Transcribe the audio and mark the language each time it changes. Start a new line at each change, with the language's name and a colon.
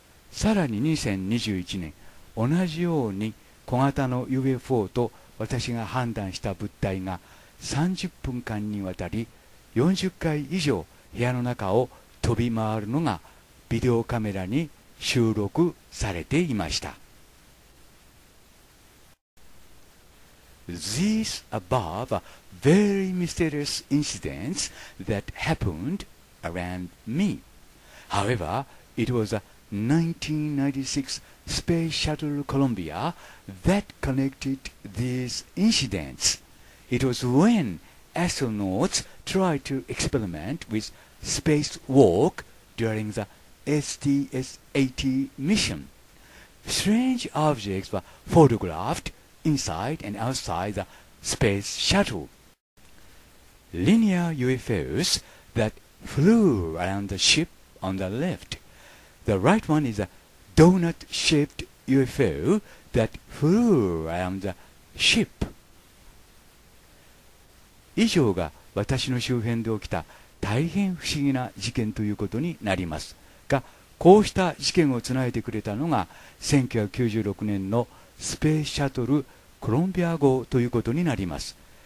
Japanese: さらに2021年、同じように小型の UFO と私が判断した物体が30分間にわたり40回以上部屋の中を飛び回るのがビデオカメラに収録されていました。
English: These above are very mysterious incidents that happened around me. However, it was a 1996 Space Shuttle Columbia that connected these incidents. It was when astronauts tried to experiment with spacewalk during the STS-80 mission. Strange objects were photographed inside and outside the space shuttle. Linear UFOs that flew around the ship on the left. The right one is a donut-shaped UFO that flew around the ship.
Japanese: 以上が私の周辺で起きた大変不思議な事件ということになります。が、こうした事件をつないでくれたのが1996年のスペースシャトルコロンビア号ということになります。